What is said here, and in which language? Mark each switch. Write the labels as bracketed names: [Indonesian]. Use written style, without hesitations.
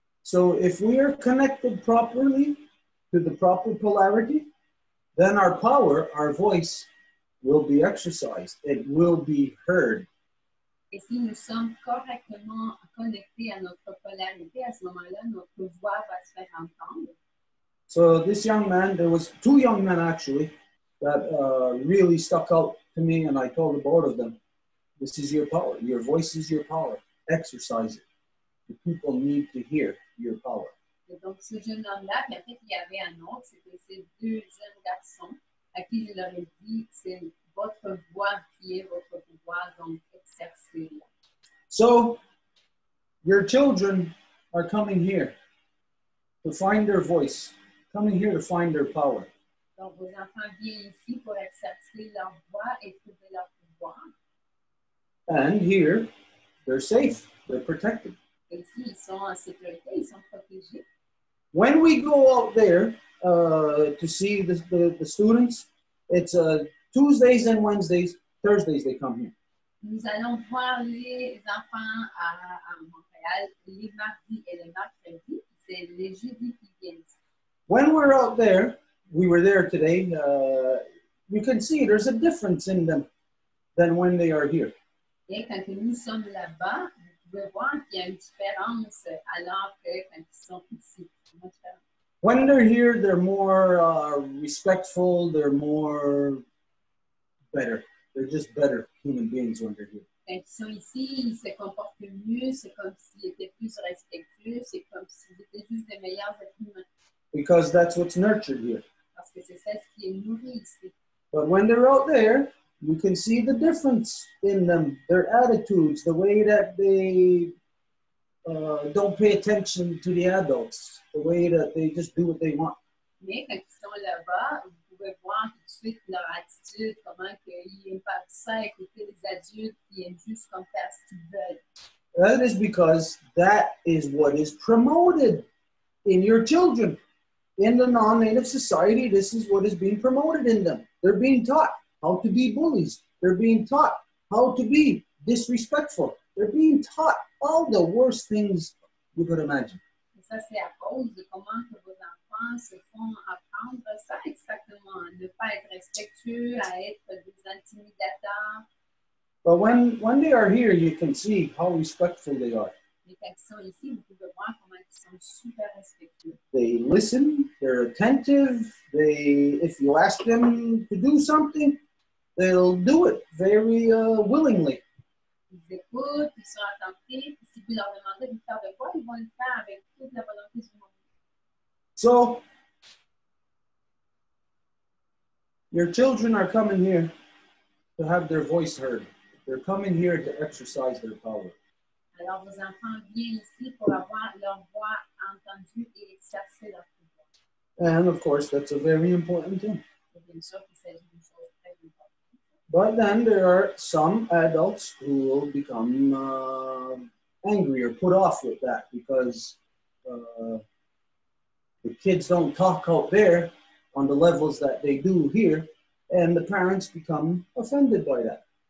[English] So if we are connected properly to the proper polarity, then our power, our voice, will be exercised. It will be heard. [French] Et si nous sommes correctement connectés à notre polarité, à ce moment-là, notre voix va se faire entendre. [English] So this young man, there was two young men actually, that really stuck out to me, and I told the both of them, this is your power. Your voice is your power. Exercise it. The people need to hear your power. [French] Donc, ce jeune homme-là, puis après, il y avait un autre, c'était ces deux jeunes garçons à qui je leur ai dit, c'est votre voix qui est votre pouvoir, donc exercez-la. [English] So, your children are coming here to find their voice, coming here to find their power. [French] Donc, vos enfants viennent ici pour exercer leur voix et trouver leur pouvoir. [English] And here, they're safe, they're protected. [French] Et ici, ils sont en sécurité, ils sont protégés. [English] When we go out there to see the students, it's Tuesdays and Wednesdays, Thursdays they come here. [French] Nous allons voir les enfants à Montréal les mardis et les mercredis. C'est les jeudis qui viennent. [English] When we're out there, we were there today, you can see there's a difference in them than when they are here. [French] Et quand nous sommes là-bas, vous pouvez voir qu'il y a une différence alors que quand ils sont ici. [English] When they're here, they're more respectful, they're more better. They're just better human beings when they're here. [French] Quand ils sont ici, ils se comportent mieux, c'est comme s'ils étaient plus respectueux, c'est comme s'ils étaient juste des meilleurs êtres humains. [English] Because that's what's nurtured here. [French] Parce que c'est ça ce qui est nourri ici. [English] But when they're out there, you can see the difference in them, their attitudes, the way that they don't pay attention to the adults, the way that they just do what they want. [French] Mais quand ils sont là-bas, vous pouvez voir tout de suite leur attitude, comment qu'ils n'aiment pas ça, écouter les adultes, qui aiment juste comme faire ce qu'ils veulent. [English] That is because that is what is promoted in your children. In the non-native society, this is what is being promoted in them. They're being taught how to be bullies. They're being taught how to be disrespectful. They're being taught all the worst things you could imagine. [French] Et ça, c'est à cause de comment que vos enfants se font apprendre ça exactement, ne pas être respectueux, à être des intimidateurs. [English] But when they are here, you can see how respectful they are. [French] Mais quand ils sont ici, vous pouvez voir comment ils sont super respectueux. [English] They listen, they're attentive, they, if you ask them to do something, they'll do it very willingly. [French] Ils écoutent, ils sont attentifs. Si vous leur demandez de faire de quoi, ils vont le faire avec toute la volonté du monde. [English] So, your children are coming here to have their voice heard. They're coming here to exercise their power. [French] Alors, vos enfants viennent ici pour avoir leur voix entendue et exercer leur pouvoir. [English] And, of course, that's a very important thing. [French] Et bien sûr qu'il s'agit d'une chose très importante. [English] But then there are some adults who will become angry or put off with that because the kids don't talk out there on the levels that they do here, and the parents become offended by that.